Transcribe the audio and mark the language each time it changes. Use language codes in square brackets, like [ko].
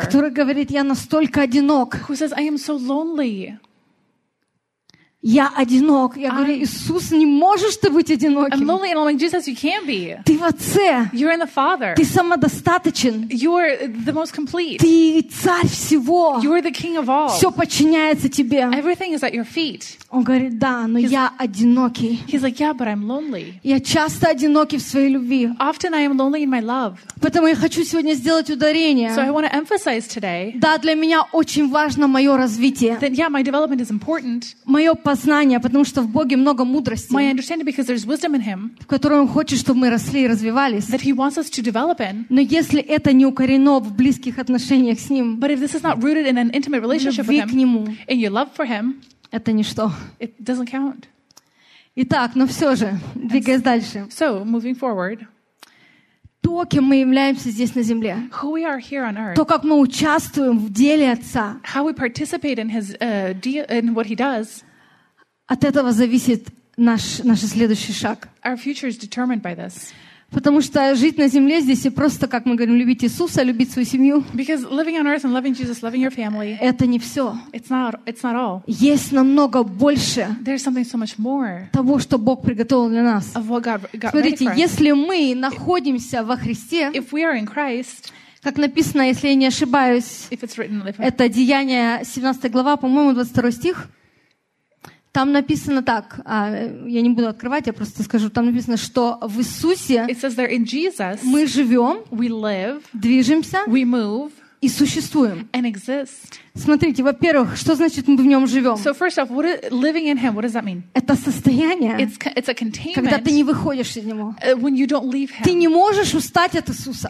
[ru] который говорит, я настолько одинок. [en] Who says, I am so lonely. [ru] Я одинок. Я говорю, Иисус, не можешь ты быть одиноким. [en] I'm lonely, and I'm like, Jesus, you can't be. [ru] Ты в Отце. [en] You're in the Father. [ru] Ты самодостаточен. [en] You're the most complete. [ru] Ты царь всего. [en] You're the king of all. [ru] Все подчиняется тебе. [en] Everything is at your feet. [ru] Он говорит, да, но я одинокий. [en] He's like, yeah, but I'm lonely. [ru] Я часто одинокий в своей любви. [en] Often I am lonely in my love. [ru] Поэтому я хочу сегодня сделать ударение. [en] So I want to emphasize today. [ru] Да, для меня очень важно мое развитие. [en] That, yeah, my development is important. [ru] Мое познание, потому что в Боге много мудрости, [en] My understanding because there's wisdom in him, [ru] в которой Он хочет, чтобы мы росли и развивались. [en] That he wants us to develop in. [ru] Но если это не укорено в близких отношениях с Ним, [en] but if this is not rooted in an intimate relationship [ru] любви [en] with him, [ru] к Нему, [en] in your love for him, [ru] это ничто. [en] It doesn't count. [ru] Итак, но все же, двигаясь And дальше. [en] So, moving forward. [ru] То, кем мы являемся здесь на земле. [en] Who we are here on earth. [ru] То, как мы участвуем в деле Отца. [en] How we participate in his, in what he does. [ru] От этого зависит наш следующий шаг. [en] Our future is determined by this. [ru] Потому что жить на земле здесь и просто, как мы говорим, любить Иисуса, любить свою семью. [en] Because living on earth and loving Jesus, loving your family. [ru] Это не все. [en] It's not all. [ru] Есть намного больше. [en] There's something so much more. [ru] Того, что Бог приготовил для нас. [en] Of what God got. [ru] Смотрите, если мы находимся во Христе. [en] If we are in Christ. [ru] Как написано, если я не ошибаюсь, [en] written, [ru] это Деяния 17 глава, по-моему, 22 стих. Там написано так, я не буду открывать, я просто скажу, там написано, что в Иисусе [en] Jesus, [ru] мы живем, [en] we live, [ru] движемся [en] we move, [ru] и существуем. [en] And exist. [ru] Смотрите, во-первых, что значит мы в нем живем? [en] So first off, what is, living in him, what does that mean? [ru] Это состояние, [en] it's a containment, [ru] когда ты не выходишь из него. [en] When you don't leave him. [ru] Ты не можешь устать от Иисуса.